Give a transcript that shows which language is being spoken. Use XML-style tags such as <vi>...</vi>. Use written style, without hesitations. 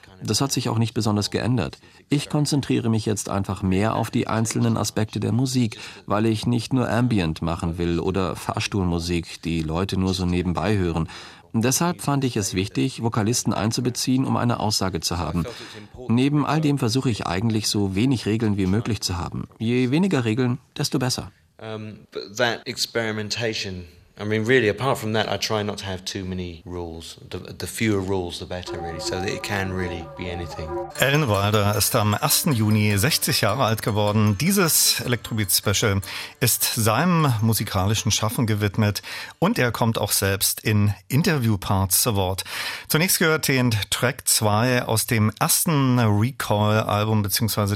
<de>Das hat sich auch nicht besonders geändert. Ich konzentriere mich jetzt einfach mehr auf die einzelnen Aspekte der Musik, weil ich nicht nur Ambient machen will oder Fahrstuhlmusik, die Leute nur so nebenbei hören. Deshalb fand ich es wichtig, Vokalisten einzubeziehen, um eine Aussage zu haben. Neben all dem versuche ich eigentlich, so wenig Regeln wie möglich zu haben. Je weniger Regeln, desto besser.</de> <en>That experimentation, I mean, really, apart from that, I try not to have too many rules. The fewer rules, the better, really, so that it can really be anything.</en> <de>Alan Wilder ist am 1. Juni 60 Jahre alt geworden. Dieses Electrobeat-Special ist seinem musikalischen Schaffen gewidmet und er kommt auch selbst in Interview-Parts zu Wort. Zunächst gehört den Track 2 aus dem ersten Recoil-Album bzw.</de>